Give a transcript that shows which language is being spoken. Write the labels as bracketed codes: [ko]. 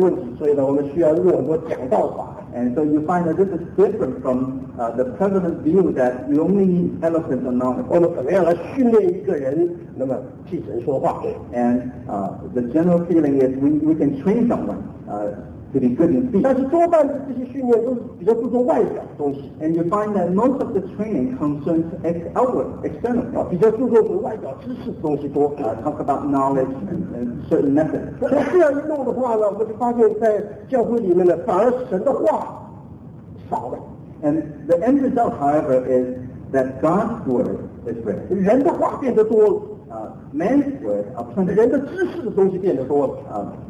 [zh] 所以不像今天呢，在一般的情况里面，应该大家觉得说这个讲道从口才的问题，所以呢，我们需要用很多讲道法。 [en] And so you find that this is different from the prevalent view that you only need eloquence and knowledge. [zh] 我们怎么样来训练一个人，那么替神说话？ [en] And the general feeling is we can train someone to be good in speech. [zh] 但是多半这些训练都比较注重外表的东西。 [en] And you find that most of the training concerns external. [zh] 比较注重外表知识的东西多。 [en] Talk about knowledge and certain methods. [zh] 这样一弄的话呢，我们就发现在教会里面呢，反而神的话少了。 [en] And the end result, however, is that God's word is rare. [zh] 人的话变得多了。 [en] Man's word are plenty. [zh] 人的知识的东西变得多了。